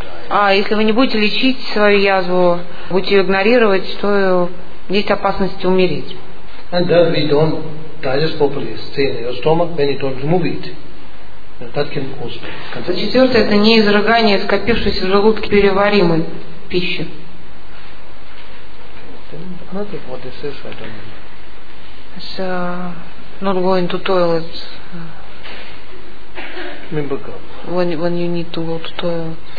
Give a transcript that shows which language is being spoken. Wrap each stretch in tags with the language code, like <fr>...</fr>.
<ru>А если вы не будете лечить свою язву, будете ее игнорировать, то есть опасность умереть.</ru> <en>And then we don't digest properly, stay in your stomach when you don't remove it. And that can cause cancer.</en> <ru>Четвертое это не изрыгание скопившейся в желудке переваримой пищи.</ru> <en>Another what this is, I don't know. It's not going to toilet. Remember God. When you need to go to toilet.</en>